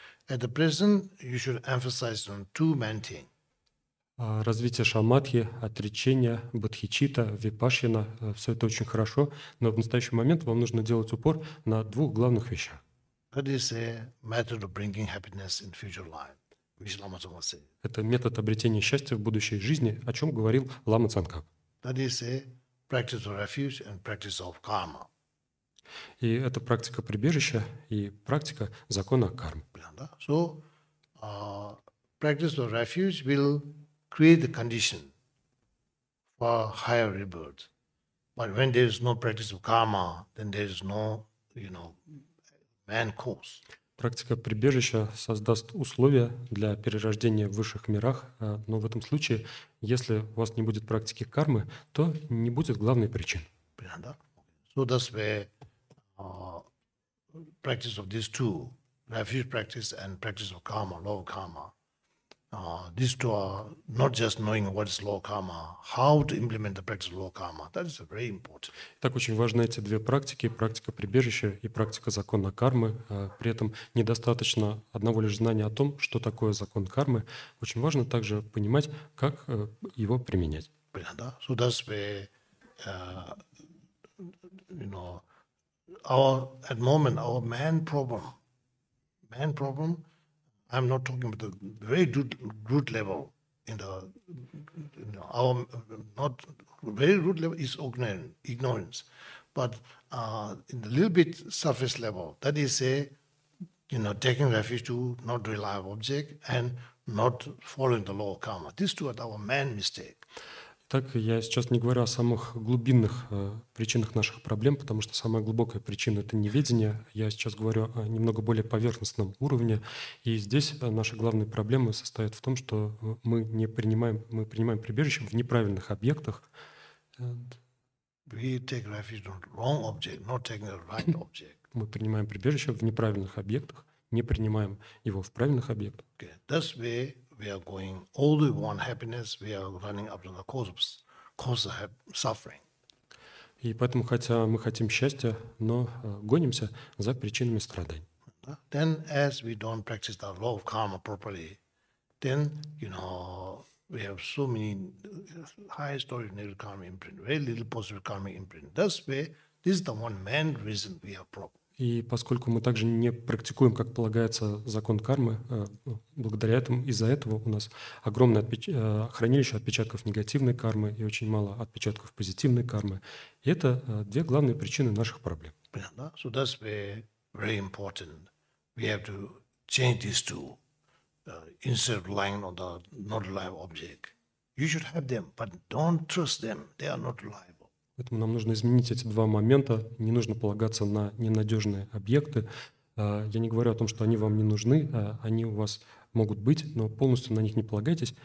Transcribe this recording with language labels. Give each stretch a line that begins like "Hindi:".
English: At the present, you should emphasize on two main things.
Russian: Развитие шамадхи, отречение, бодхичитта, випашьяна – все это очень хорошо, но в настоящий момент вам нужно делать упор на двух главных вещах.
English: That is a method of bringing happiness in future life.
Russian: Это метод обретения счастья в будущей жизни, о чем говорил Лама Цанкап.
English: That is a practice of refuge and practice of karma.
Russian: И это практика прибежища и практика закона кармы.
English: So, practice of refuge will create the condition for higher rebirth. But when there is no practice of karma, then there is no, you know, man course.
Russian: Практика прибежища создаст условия для перерождения в высших мирах, но в этом случае, если у вас не будет практики кармы, то не будет главной причин.
English: So that's where practice of these two, refuge practice and practice of karma, law of karma. These two are not just knowing what is law of karma, how to implement the practice of law of karma. That is very important.
Russian: Так очень важны эти две практики, практика прибежища и практика закона кармы. При этом недостаточно одного лишь знания о том, что такое закон кармы. Очень важно также понимать, как его применять. Понятно.
English: So that's where, you know, our main problem. I'm not talking about the very root level in the our not very root level is ignorance, but in the little bit surface level, that is a, you know, taking refuge to not reliable object and not following the law of karma. These two are our main mistake.
Russian: Так, я сейчас не говорю о самых глубинных причинах наших проблем, потому что самая глубокая причина – это неведение. Я сейчас говорю о немного более поверхностном уровне. И здесь наши главные проблемы состоят в том, что мы не принимаем, мы принимаем прибежище в неправильных объектах. Мы принимаем прибежище в неправильных объектах, не принимаем его в правильных объектах.
English: We are going all the way on happiness. We are running after the cause of suffering.
Russian: И поэтому, хотя мы хотим счастья, но гонимся за причинами страданий.
English: Then, as we don't practice the law of karma properly, then you know we have so many high story of negative karma imprint, very little positive karma imprint. That's why this is the one main reason we have problem.
Russian: И поскольку мы также не практикуем, как полагается, закон кармы, благодаря этому, из-за этого у нас огромное хранилище отпечатков негативной кармы и очень мало отпечатков позитивной кармы. И это две главные причины наших проблем.
English: So that's very important. We have to change these two. Instead of relying on the not reliable object, you should have them, but don't trust them. They are not reliable.
Russian: Поэтому нам нужно изменить эти два момента. Не нужно полагаться на ненадежные объекты. Я не говорю о том, что они вам не нужны. Они у вас могут быть, но полностью на них не полагайтесь.